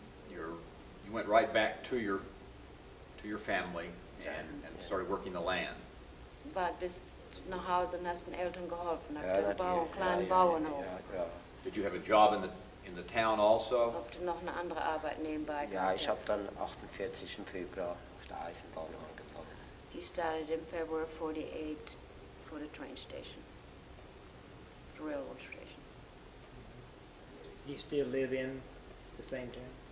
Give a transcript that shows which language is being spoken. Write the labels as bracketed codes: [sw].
[en] You went right back to your family and started working the land. [de] But bist nach Hause und hast den Eltern geholfen, den Bau, kleinen Bauern auch. [en] Did you have a job in the town also? [de] Ob du noch eine andere Arbeit nebenbei gehabt hast? Ja, ich habe dann 48 im Februar auf der Eisenbahn angefangen. [en] You started in February 48 for the train station, the railroad station. Do you still live in the same town?